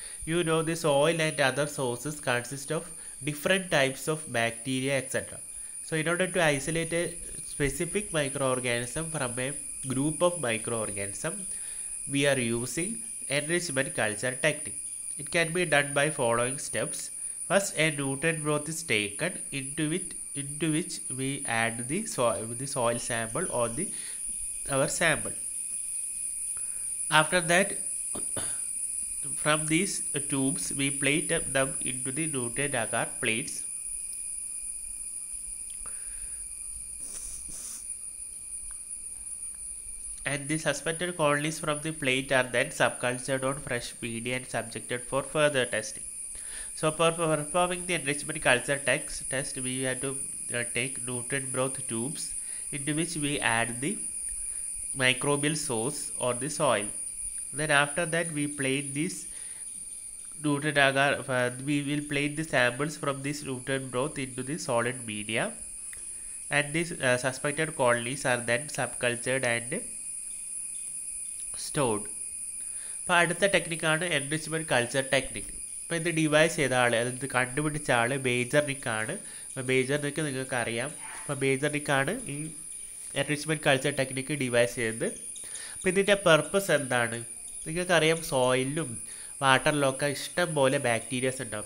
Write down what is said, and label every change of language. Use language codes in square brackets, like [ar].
[en] You know the soil and other sources consist of different types of bacteria etcetera. So in order to isolate a specific micro organism from a group of micro organism we are using enrichment culture technique. It can be done by following steps. First, a nutrient broth is taken into which we add the soil sample or our sample. After that, from these tubes, we plate them into the nutrient agar plates. And the suspended colonies from the plate are then subcultured on fresh media and subjected for further testing. So for performing the enrichment culture test, we have to take nutrient broth tubes into which we add the microbial source or the soil. Then after that, we plate this nutrient agar. We will plate the samples from this nutrient broth into the solid media, and these suspected colonies are then subcultured and stored. [ml] അപ്പോൾ അടുത്ത ടെക്നിക്കാണ് എൻറിച്ച്മെൻറ് culture technique. അപ്പോൾ ഇത് device ചെയ്ത ആൾ, അതായത് കണ്ടുപിടിച്ച ആൾ ബേജർനിക്കാണ്. അപ്പോൾ ബേജർനിക്ക് നിങ്ങൾക്കറിയാം, അപ്പോൾ ബേജർനിക്കാണ് ഈ എൻറിച്ച്മെൻറ്റ് കൾച്ചർ ടെക്നിക്ക് ഡിവൈസ് ചെയ്തത്. അപ്പോൾ ഇതിൻ്റെ പർപ്പസ് എന്താണ്, നിങ്ങൾക്കറിയാം സോയിലും വാട്ടറിലുമൊക്കെ ഇഷ്ടംപോലെ ബാക്ടീരിയസ് ഉണ്ടാവും.